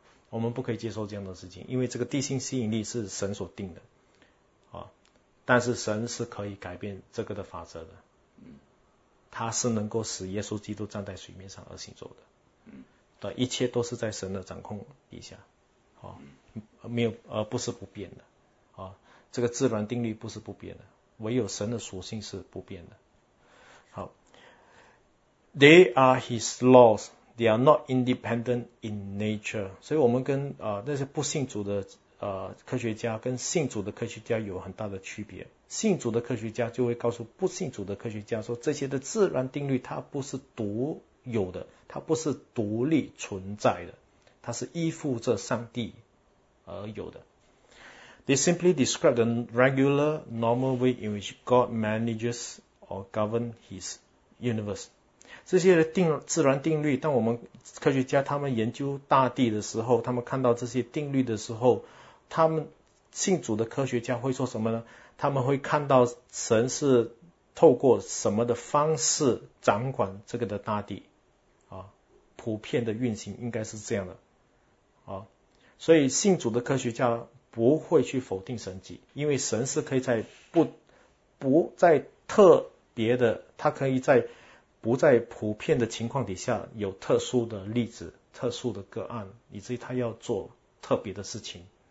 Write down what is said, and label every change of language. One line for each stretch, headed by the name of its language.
Chinese: 我们不可以接受这样的事情，因为这个地心吸引力是神所定的，但是神是可以改变这个的法则的，他是能够使耶稣基督站在水面上而行走的，对，一切都是在神的掌控底下，没有，不是不变的，这个自然定律不是不变的，唯有神的属性是不变的。好
English: ，They are His laws, they are not independent in nature。
Chinese: 所以，我们跟那些不信主的科学家跟信主的科学家有很大的区别。信主的科学家就会告诉不信主的科学家说，这些的自然定律它不是独有的，它不是独立存在的，它是依附着上帝而有的。
English: They simply describe the regular, normal way in which God manages or governs His universe.
Chinese: 这些自然定律，当我们科学家他们研究大地的时候，他们看到这些定律的时候，他们信主的科学家会说什么呢？他们会看到神是透过什么的方式掌管这个的大地，普遍的运行应该是这样的，所以信主的科学家不会去否定神迹，因为神是可以在不在特别的，他可以在不在普遍的情况底下有特殊的例子、特殊的个案，以至于他要做特别的事情。